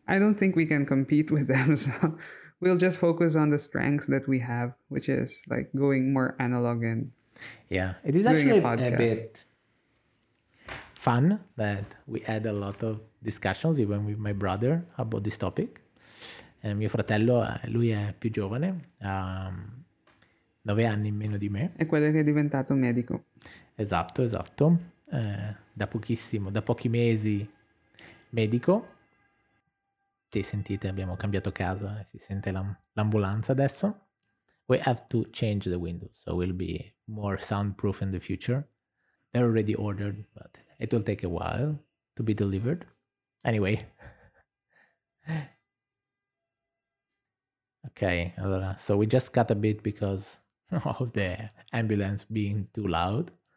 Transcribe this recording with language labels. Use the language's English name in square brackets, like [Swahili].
[English] I don't think we can compete with them, so we'll just focus on the strengths that we have, which is like going more analog and... Yeah, it is actually a bit fun that we had a lot of discussions even with my brother about this topic. [Italian] Mio fratello, lui è più giovane, 9 anni in meno di me. È quello che è diventato medico. Esatto, esatto. Da pochi mesi medico. Sì, sentite, abbiamo cambiato casa e si sente l'ambulanza adesso. [English] We have to change the window, so we'll be more soundproof in the future. They're already ordered, but it will take a while to be delivered. Anyway. Okay, allora, so we just cut a bit because of the ambulance being too loud.